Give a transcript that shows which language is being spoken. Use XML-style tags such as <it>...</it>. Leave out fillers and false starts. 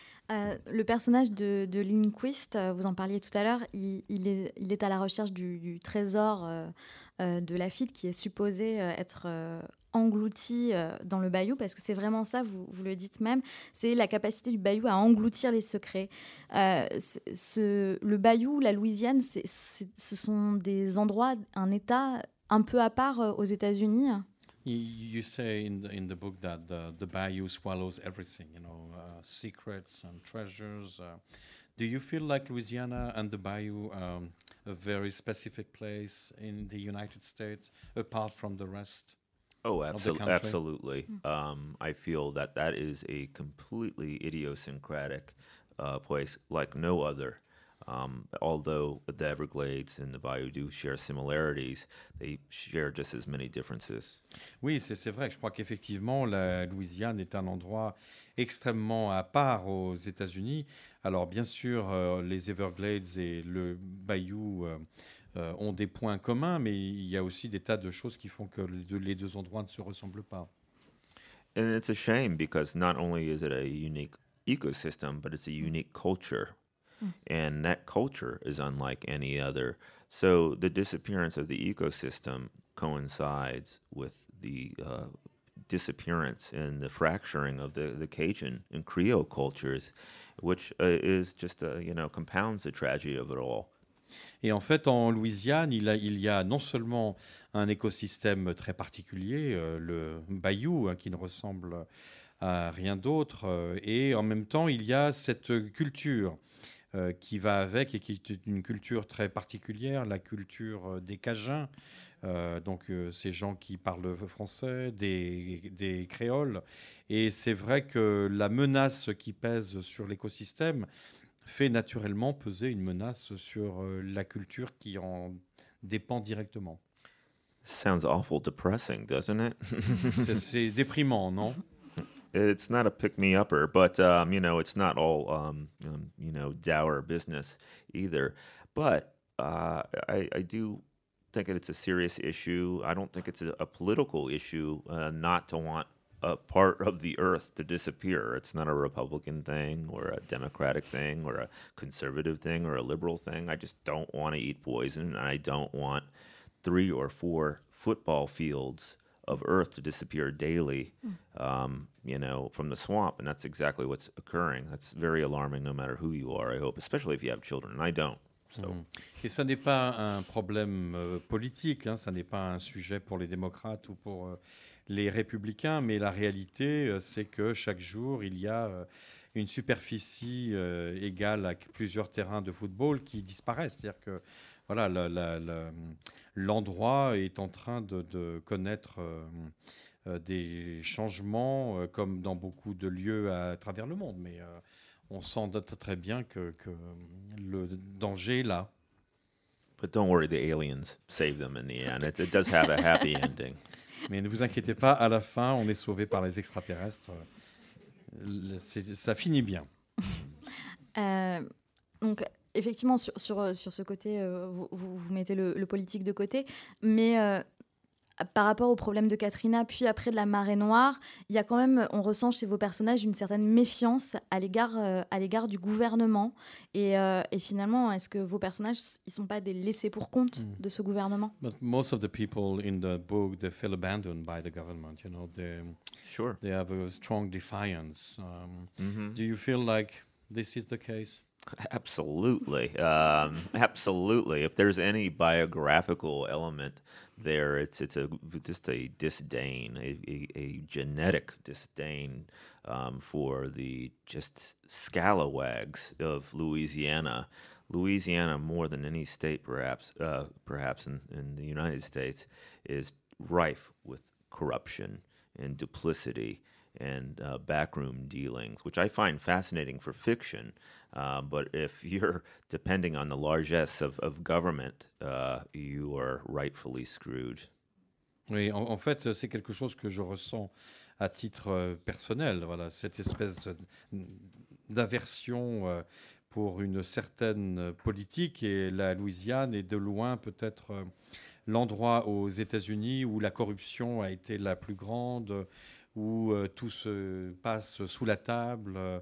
<fr>Le personnage de Lindquist, vous en parliez tout à l'heure, il est à la recherche du trésor de Lafitte qui est supposé être englouti dans le bayou, parce que c'est vraiment ça, vous le dites même, c'est la capacité du bayou à engloutir les secrets. Le bayou, la Louisiane, ce sont des endroits, un état un peu à part aux États-Unis.</fr> <en>You say in the book that the bayou swallows everything, secrets and treasures. Do you feel like Louisiana and the bayou a very specific place in the United States apart from the rest? Oh, absolutely. I feel that is a completely idiosyncratic place like no other. Although the Everglades and the Bayou do share similarities, they share just as many differences.</en> <fr>Oui, c'est vrai. Je crois qu'effectivement, la Louisiane est un endroit extrêmement à part aux États-Unis. Alors, bien sûr, les Everglades et le Bayou ont des points communs, mais il y a aussi des tas de choses qui font que les deux endroits ne se ressemblent pas.</fr> <en>And it's a shame because not only is it a unique ecosystem, but it's a unique culture. And that culture is unlike any other. So the disappearance of the ecosystem coincides with the disappearance and the fracturing of the Cajun and Creole cultures, which is just compounds the tragedy of it all.</en> <fr>Et en fait, en Louisiane, il y a non seulement un écosystème très particulier, le bayou, hein, qui ne ressemble à rien d'autre, et en même temps, il y a cette culture qui va avec et qui est une culture très particulière, la culture des Cajuns, donc ces gens qui parlent français, des créoles. Et c'est vrai que la menace qui pèse sur l'écosystème fait naturellement peser une menace sur la culture qui en dépend directement.</fr> <en>Sounds awful depressing, doesn't it?</en> <fr>c'est déprimant, non?</fr> <en>It's not a pick-me-upper, but, you know, it's not all, you know, dour business either. But I do think that it's a serious issue. I don't think it's a political issue not to want a part of the earth to disappear. It's not a Republican thing or a Democratic thing or a conservative thing or a liberal thing. I just don't want to eat poison. I don't want 3 or 4 football fields of earth to disappear daily, you know, from the swamp. And that's exactly what's occurring. That's very alarming, no matter who you are, I hope, especially if you have children. And I don't. So.</en> <fr>Et ça n'est pas un problème politique, hein, ça n'est pas un sujet pour les démocrates ou pour les républicains, mais la réalité, c'est que chaque jour, il y a une superficie égale à plusieurs terrains de football qui disparaissent. C'est-à-dire que voilà, l'endroit est en train de connaître des changements, comme dans beaucoup de lieux à travers le monde. Mais on sent très bien que le danger est là.</fr> <en>But don't worry, the aliens save them in the end. It does have a happy ending.</en> <fr>Mais ne vous inquiétez pas, à la fin, on est sauvé par les extraterrestres. Ça finit bien. Donc, effectivement, sur ce côté, vous mettez le politique de côté. Mais par rapport au problème de Katrina, puis après de la marée noire, il y a quand même, on ressent chez vos personnages une certaine méfiance à l'égard du gouvernement. Et finalement, est-ce que vos personnages, ils sont pas des laissés pour compte de ce gouvernement?</fr> <en>But most of the people in the book, they feel abandoned by the government. You know, they sure they have a strong defiance. Do you feel like this is the case? Absolutely. Absolutely. If there's any biographical element there, it's just a disdain, a genetic disdain for the just scalawags of Louisiana. Louisiana, more than any state perhaps in the United States, is rife with corruption and duplicity and backroom dealings, which I find fascinating for fiction. But if you're depending on the largesse of government, you are rightfully screwed.</en> <fr>Oui, en fait, c'est quelque chose que je ressens à titre personnel. Voilà, cette espèce d'aversion pour une certaine politique, et la Louisiane est de loin peut-être l'endroit aux États-Unis où la corruption a été la plus grande, où tout se passe sous la table.</fr>